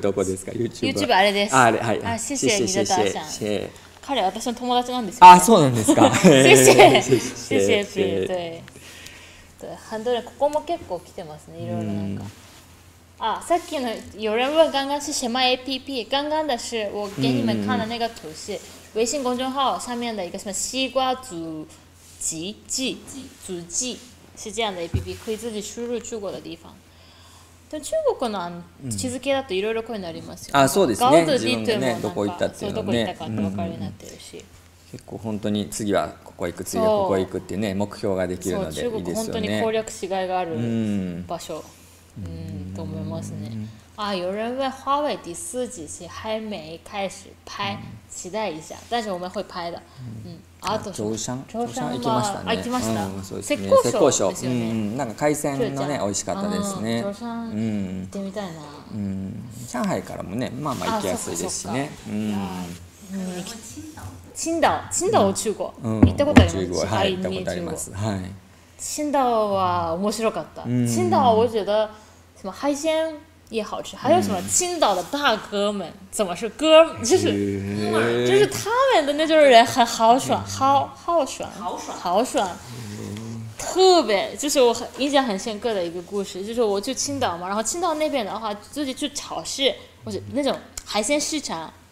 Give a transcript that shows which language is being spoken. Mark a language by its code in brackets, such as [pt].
[ja] どこですか？YouTube あれです。あれ、はい。あ、シェシェにダーシャン。シェ彼は私の友達なんですけど。あ、そうなんですか。シェシェシェシェシェ。ハンドル、ここも結構来てますね、いろいろなんか。あ、さっきの、 [zh] 有人问刚刚是什么 APP？刚刚的是我给你们看的那个图是微信公众号上面的一个什么西瓜足迹记，足迹是这样的 APP， 可以自己输入中国的地方。 [ja] でも中国の地図系だといろいろこういうのありますよ。あ、そうですね。ガオドゥディというのもなんか、どこ行ったっていうのね。そう、どこ行ったかって分かるようになってるし。結構本当に次はここ行く、次はここ行くっていうね、目標ができるのでいいですよね。中国本当に攻略しがいがある場所、うん、と思いますね。 [zh] あ、有人问华为第四季是还没开始拍，期待一下。但是我们会拍的。あと [ja] 潮汕、潮汕行きましたね。行きました。うん、そうですね。浙江省ですよね。なんか海鮮のね、美味しかったですね。潮汕行ってみたいな。上海からもね、まあまあ行きやすいですしね。青岛、青岛、中国、行ったことあります。中国、はい、行ったことあります。はい。青岛は面白かった。 [zh] 青岛、我觉得什么海鲜也好吃，还有什么青岛的大哥们，怎么是哥？就是他们的那种人很豪爽，豪爽。特别就是我很印象很深刻的一个故事，就是我去青岛嘛，然后青岛那边的话，自己去超市或者那种海鲜市场。